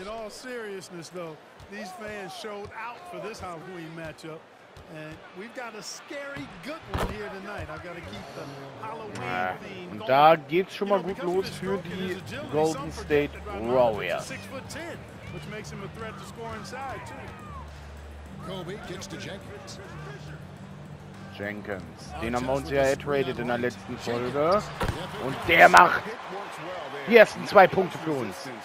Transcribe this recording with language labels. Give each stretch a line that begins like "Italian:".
English: In all seriousness, though, these fans showed out for this Halloween matchup. And we've got a scary good one here tonight. I've got to keep the Halloween theme.
German: Und da geht's schon mal gut los für die Golden State Warriors.
English: 6'10", which makes him a threat to score inside, too. Kobe gets to Jenkins. Jenkins.
German: Den haben wir uns ja ertradet in der letzten Folge. Und der macht die ersten zwei Punkte für uns.